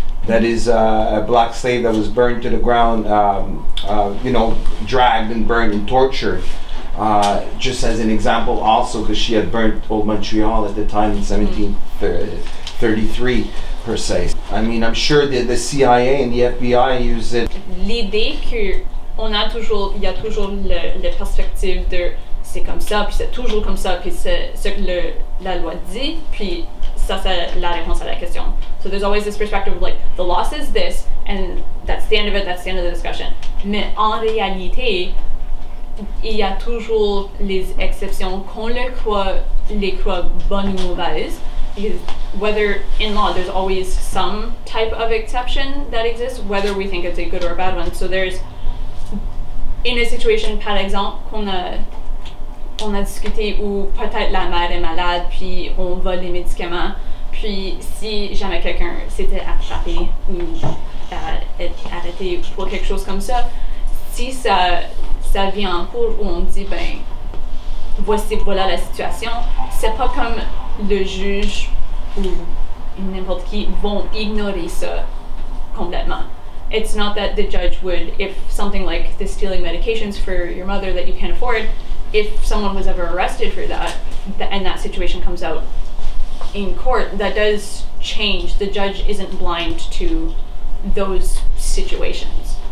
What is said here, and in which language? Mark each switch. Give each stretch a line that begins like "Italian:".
English: That is a black slave that was burned to the ground, you know, dragged and burned and tortured. Just as an example also, because she had burnt old Montreal at the time in 1733, per se. I mean, I'm sure the CIA and the FBI use it.
French: L'idée qu'on a toujours, il y a toujours la perspective de c'est comme ça, puis c'est toujours comme ça, puis c'est ce que la loi dit, puis ça, c'est la réponse à la question.
English: So there's always this perspective of like, the law says this, and that's the end of it, that's the end of the discussion.
French: Mais en réalité, il y a toujours les exceptions qu'on les croit bonnes ou mauvaises.
English: Because whether in law, there's always some type of exception that exists, whether we think it's a good or a bad one. So there's, in a situation,
French: par exemple, qu'on a discuté où peut-être la mère est malade, puis on vole les médicaments, puis si jamais quelqu'un s'était attrapé ou arrêté pour quelque chose comme ça, si ça vient en cours où on dit, ben, voilà la situation, c'est pas comme le juge ou n'importe qui vont ignorer ça complètement.
English: It's not that the judge would, if something like the stealing medications for your mother that you can't afford, if someone was ever arrested for that, and that situation comes out in court, that does change. The judge isn't blind to those situations.